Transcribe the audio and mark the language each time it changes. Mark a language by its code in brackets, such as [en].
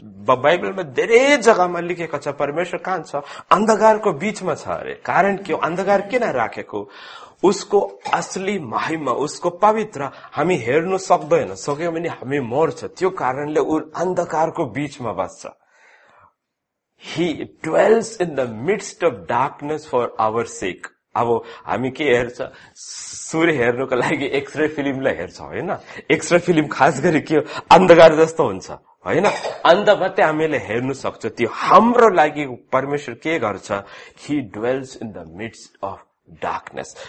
[ne] बाइबलमा धेरै जग्गामा लेखेको छ परमेश्वर कहाँ छ, अन्धकारको बीचमा छ अरे। कारण के हो, अन्धकार किन राखेको, उसको असली महिमा, उसको पवित्र हामी हेर्नु सक्दैन, सक्यो भने हामी मर्छ। त्यो कारणले ऊ अन्धकारको बीचमा बस्छ। [en] He dwells in the midst of darkness for our sake. [ne] अब हामी के हेर्छ, सूर्य हेर्नुको लागि एक्सरे फिल्मलाई हेर्छ, होइन? एक्सरे फिल्म खास गरी के हो, अन्धकार जस्तो हुन्छ, होइन? अन्त मात्रै हामीले हेर्नु सक्छ। त्यो हाम्रो लागि परमेश्वर के गर्छ, [en] He dwells in the midst of darkness.